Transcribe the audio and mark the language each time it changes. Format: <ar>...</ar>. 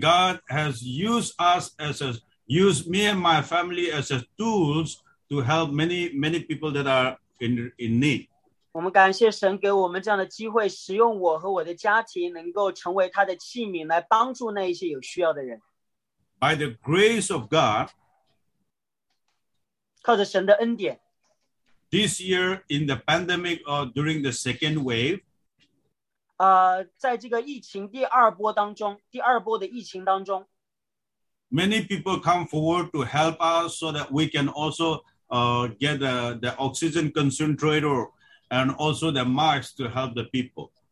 <en>God has used us as a used me and my family as a tools to help many many people that are in need.</en> <zh>我们感谢神给我们这样的机会，使用我和我的家庭能够成为他的器皿，来帮助那一些有需要的人。</zh> <en>By the grace of God,</en> <zh>靠着神的恩典,</zh> <en>this year in the pandemic or during the second wave,</en> <zh>在这个疫情第二波当中，第二波的疫情当中,</zh> <en>many people come forward to help us so that we can also get the oxygen concentrator. And also the marks to help the people.</en>